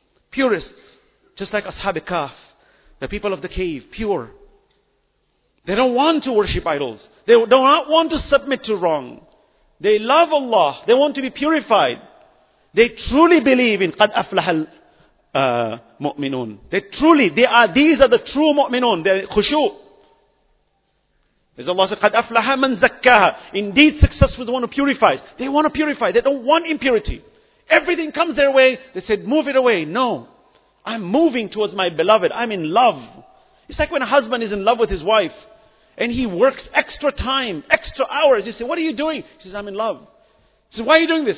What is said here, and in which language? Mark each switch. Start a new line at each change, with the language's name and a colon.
English: Purists, just like Ashabi Kaf, the people of the cave, pure. They don't want to worship idols. They do not want to submit to wrong. They love Allah. They want to be purified. They truly believe in
Arabic: قَدْ أَفْلَحَ الْمُؤْمِنُونَ.
English: These are the true mu'minun. They're khushu. As Allah said,
Arabic: قَدْ أَفْلَحَ مَنْ زَكَّهَا.
English: Indeed, successful is the one who purifies. They want to purify. They don't want impurity. Everything comes their way. They said, move it away. No. I'm moving towards my beloved. I'm in love. It's like when a husband is in love with his wife and he works extra time, extra hours. You say, what are you doing? He says, I'm in love. He says, why are you doing this?